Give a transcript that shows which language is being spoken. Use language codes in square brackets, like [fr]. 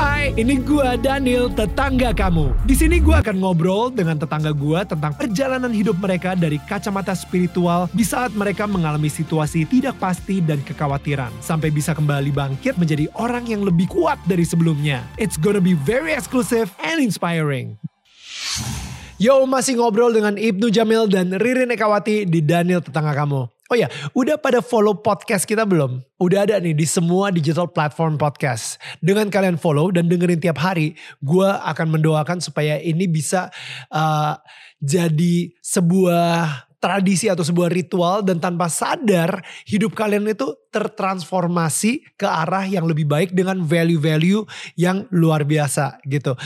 [id] Ini gua Daniel, tetangga kamu. Di sini gua akan ngobrol dengan tetangga gua tentang perjalanan hidup mereka dari kacamata spiritual di saat mereka mengalami situasi tidak pasti dan kekhawatiran, sampai bisa kembali bangkit menjadi orang yang lebih kuat dari sebelumnya. [en] It's gonna be very exclusive and inspiring. [id] Yo, masih ngobrol dengan Ibnu Jamil dan Ririn Ekawati di Daniel Tetangga Kamu. Oh ya, udah pada follow podcast kita belum? Udah ada nih di semua digital platform podcast. Dengan kalian follow dan dengerin tiap hari, gue akan mendoakan supaya ini bisa jadi sebuah tradisi atau sebuah ritual, dan tanpa sadar hidup kalian itu tertransformasi ke arah yang lebih baik dengan value-value yang luar biasa gitu.